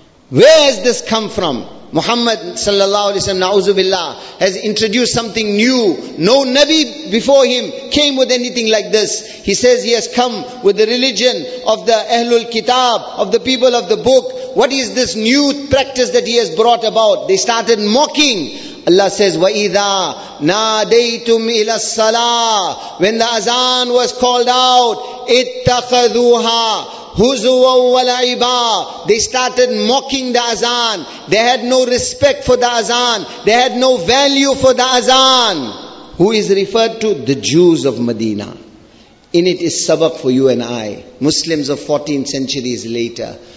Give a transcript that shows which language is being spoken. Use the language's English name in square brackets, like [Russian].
[English] Where has this come from? Muhammad sallallahu alayhi wa sallam, na'uzu billah, has introduced something new. No Nabi before him came with anything like this. He says he has come with the religion of the Ahlul Kitab, of the people of the book. What is this new practice that he has brought about? They started mocking. Allah says, [Arabic] وَإِذَا نَادَيْتُمْ إِلَى الصَّلَاةِ. [English] When the azan was called out, [Arabic] اتَّخَذُوهَا هُزُوًا وَلَعِبًا. [English] They started mocking the azan. They had no respect for the azan. They had no value for the azan. Who is referred to? The Jews of Medina. In it is sabak for you and I, Muslims of 14 centuries later.